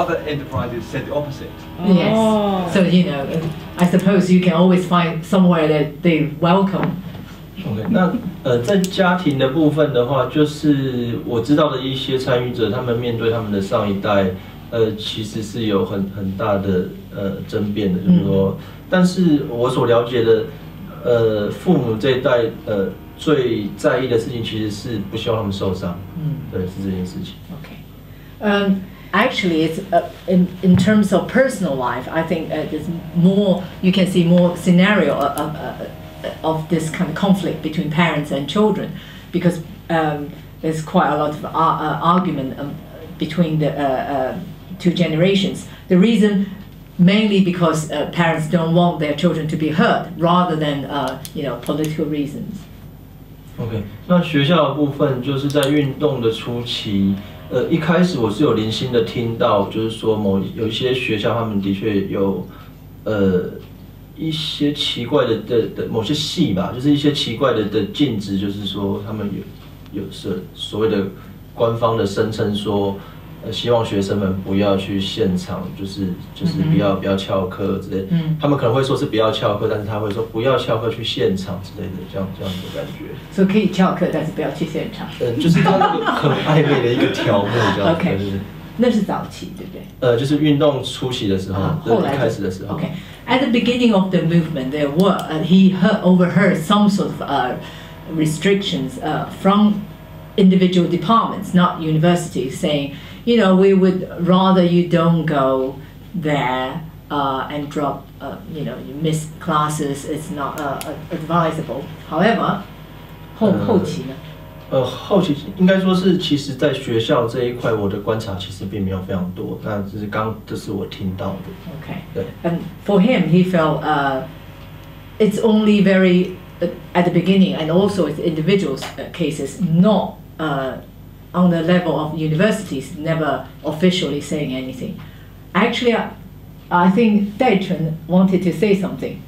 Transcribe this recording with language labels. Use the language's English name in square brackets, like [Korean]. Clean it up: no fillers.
[English] And following that, other enterprises said the opposite. Yes. So, you know, I suppose you can always find somewhere that they welcome. [Chinese] Okay, 那在家庭的部分的话，就是我知道的一些参与者，他们面对他们的上一代，其实是有很大的争辩的，就是说，但是我所了解的，父母这一代，最在意的事情其实是不希望他们受伤，对，是这件事情。 [English] Okay, actually, it's in terms of personal life. I think there's more. You can see more scenario of this kind of conflict between parents and children, because there's quite a lot of argument between the two generations. The reason mainly because parents don't want their children to be hurt, rather than political reasons. [Chinese] OK, 那学校的部分就是在运动的初期，一开始我是有零星的听到，就是说有一些学校他们的确有一些奇怪的某些系吧，就是一些奇怪的禁止，就是说他们有所谓的官方的声称说希望学生们不要去现场，就是不要翘课之类的。他们可能会说是不要翘课，但是他会说不要翘课去现场之类的，这样的感觉。所以可以翘课，但是不要去现场。就是他那个很暧昧的一个条目，这样子。 OK, 那是早期，对不对？就是运动初期的时候，后来开始的时候。 [English] OK, at the beginning of the movement, there were he overheard some sort of restrictions from individual departments, not universities, saying. You know, we would rather you don't go there and drop, you miss classes, it's not advisable. [Chinese] However, 后期呢？后期应该说是，其实在学校这一块，我的观察其实并没有非常多，那只是刚这是我听到的。 [English] Okay. [Chinese] 对。 [English] And for him, he felt it's only very at the beginning, and also with individuals' cases, not. On the level of universities, never officially saying anything. Actually, I think Dai Chun wanted to say something.